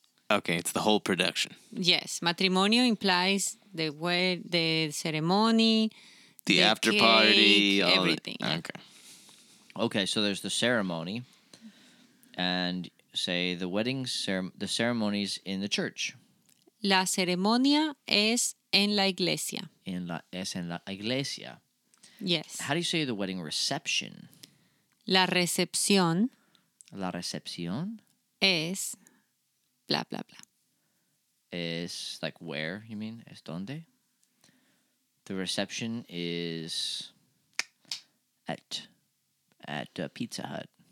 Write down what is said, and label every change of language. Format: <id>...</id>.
<en>Okay, it's the whole production. Yes, matrimonio implies the ceremony, the after cake, party, all everything. Yeah. Okay. Okay, so there's the ceremony, and say the wedding the ceremony's in the church.</en> <es>La ceremonia es en la iglesia. Es en la iglesia.</es> <en>Yes. How do you say the wedding reception?</en> <es>La recepción. La recepción es. Blah, blah, blah.</es> <en>Is like where, you mean?</en> <es>Es donde?</es> <en>The reception is at Pizza Hut.</en>